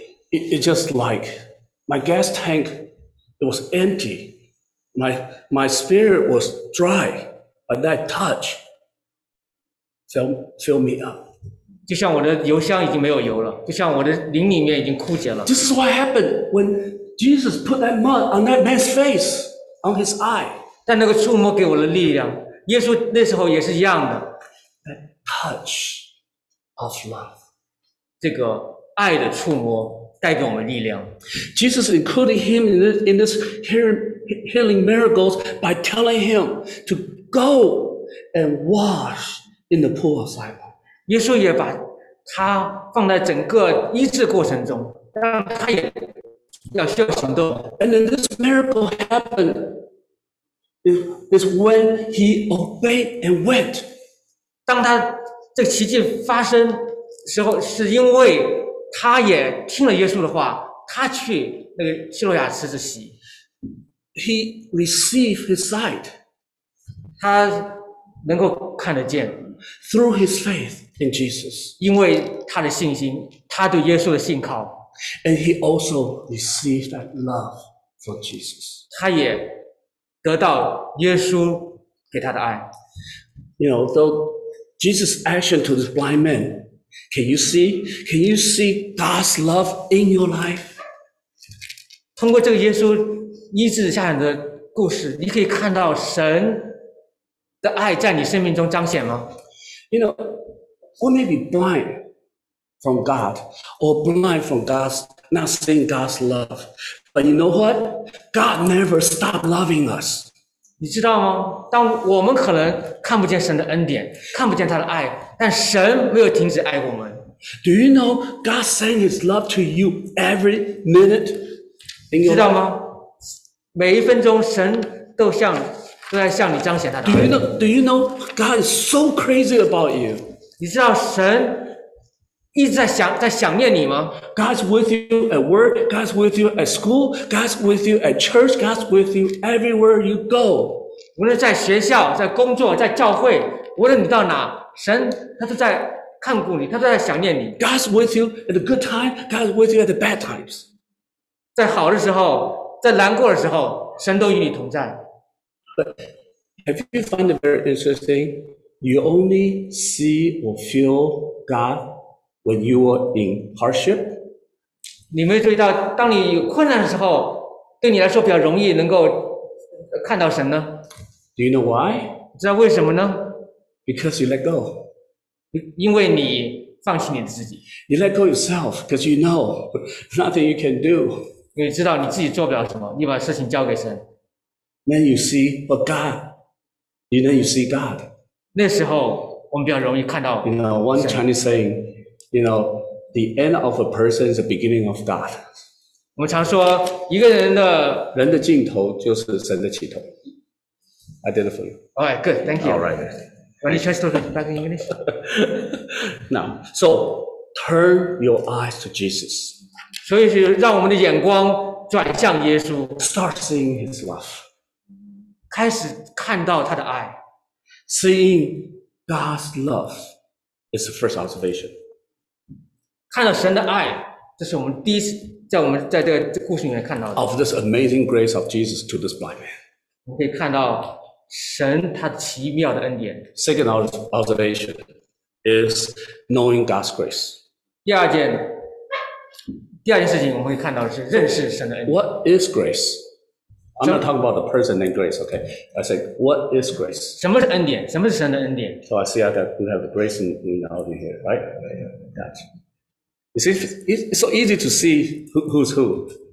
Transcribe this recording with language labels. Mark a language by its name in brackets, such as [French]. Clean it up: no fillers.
[English] It's just like my gas tank, it was empty. My spirit was dry, but that touch filled me up. [Chinese] 就像我的油箱已经没有油了，就像我的灵里面已经枯竭了。 [English] This is what happened when Jesus put that mud on that man's face, on his eye. [Chinese] 但那个触摸给我的力量，耶稣那时候也是一样的。 [English] That touch of love. [Chinese] 这个爱的触摸带给我们力量。 [English] Jesus included him in this healing miracles by telling him to go and wash in the pool of Siloam. [Chinese] 耶稣也把他放在整个医治过程中，让他也要需要行动。 [English] And then this miracle happened is when he obeyed and went. [Chinese] 当他这个奇迹发生。时候是因为他也听了耶稣的话，他去那个希罗亚池子洗。 [English] He received his sight. [Chinese] 他能够看得见。 [English] Through his faith in Jesus. [Chinese] 因为他的信心，他对耶稣的信靠。 [English] And he also received that love for Jesus. [Chinese] 他也得到耶稣给他的爱。 [English] You know, though Jesus' action to this blind man. Can you see God's love in your life? [Chinese] 通过这个耶稣医治瞎眼的故事，你可以看到神的爱在你生命中彰显吗？ [English] You know, we may be blind from God, or blind from God's not seeing God's love. But you know what? God never stopped loving us. [Chinese] 你知道吗？当我们可能看不见神的恩典，看不见他的爱。但神没有停止爱我们。 [English] Do you know God sent His love to you every minute in your life? [Chinese] 知道吗？每一分钟，神都在向你彰显他的爱。 [English] Do you know God is so crazy about you? [Chinese] 你知道神一直在想念你吗 [English] ？God's with you at work. God's with you at school. God's with you at church. God's with you everywhere you go. [Chinese] 无论在学校、在工作、在教会，无论你到哪。神他都在看顾你，他都在想念你。 [English] God's with you at the good time, God's with you at the bad times. [Chinese] 在好的时候，在难过的时候，神都与你同在。 [English] But have you found it very interesting? You only see or feel God when you are in hardship. [Chinese] 你没注意到，当你有困难的时候，对你来说比较容易能够看到神呢？ [English] Do you know why? [Chinese] 知道为什么呢？ [English] Because you let go. [Chinese] 因为你放弃你的自己。 [English] You let go yourself because you know nothing you can do. [Chinese] 你知道你自己做不了什么，你把事情交给神。 [English] Then you see but God. You know you see God. [Chinese] 那时候我们比较容易看到。 [English] You know, one Chinese saying, you know, the end of a person is the beginning of God. [Chinese] 我们常说一个人的人的尽头就是神的起头。 [English] I did it for you. All right, good. Thank you. All right. When you try to talk back in English. Now, so turn your eyes to Jesus. [Chinese] 所以是让我们的眼光转向耶稣。 [English] Start seeing his love. [Chinese] 开始看到他的爱。 [English] Seeing God's love is the first observation. [Chinese] 看到神的爱，这是我们第一次在我们在这个故事里面看到的。 [English] Of this amazing grace of Jesus to this blind man. [Chinese] 我们可以看到神他奇妙的恩典。 [English] Second observation is knowing God's grace. [Chinese] 第二件事情我们会看到的是认识神的恩典。 [English] What is grace? I'm not talking about the person named grace, okay? I say, what is grace? [Chinese] 什么是恩典？什么是神的恩典 [English] ？So I see that we have grace in the audience here, right? Gotcha. You see, it's so easy to see who's who.